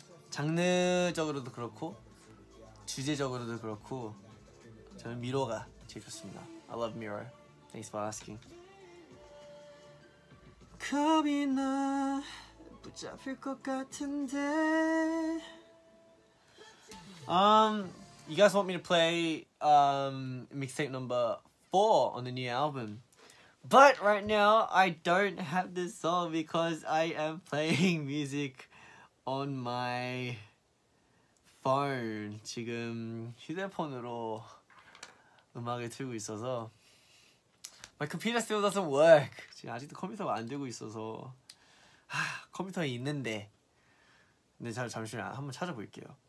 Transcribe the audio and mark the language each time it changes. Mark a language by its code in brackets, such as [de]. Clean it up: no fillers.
[ko] 장르적으로도 그렇고 주제적으로도 그렇고 저는 미로가 제일 좋습니다. [en] I love Mira. Thanks for asking. [ko] 겁이 나 붙잡힐 것 같은데. [en] You guys want me to play mixtape number 4 on the new album. But right now, I don't have this song because I am playing music on my phone. [ko] 지금 휴대폰으로 음악을 틀고 있어서. [en] My computer still doesn't work. [ko] 지금 아직도 컴퓨터가 안 되고 있어서. 하, 컴퓨터에 있는데. 근데 잘 잠시 한번 찾아볼게요.